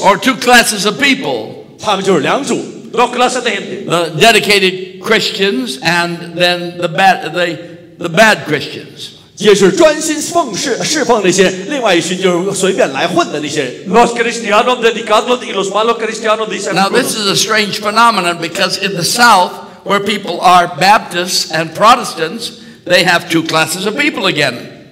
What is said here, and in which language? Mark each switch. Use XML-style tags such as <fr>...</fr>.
<en>Or two classes of people.</en> <zh>他们就是两组。</zh> <es>Dos clases de gente.</es> <en>The dedicated Christians and then the bad Christians.</en> <zh>也是专心奉事，侍奉那些另外一群就是随便来混的那些。</zh> <es>Los cristianos dedicados y los malos cristianos dicen.</es> <en>Now this is a strange phenomenon because in the South, where people are Baptists and Protestants, they have two classes of people again.</en>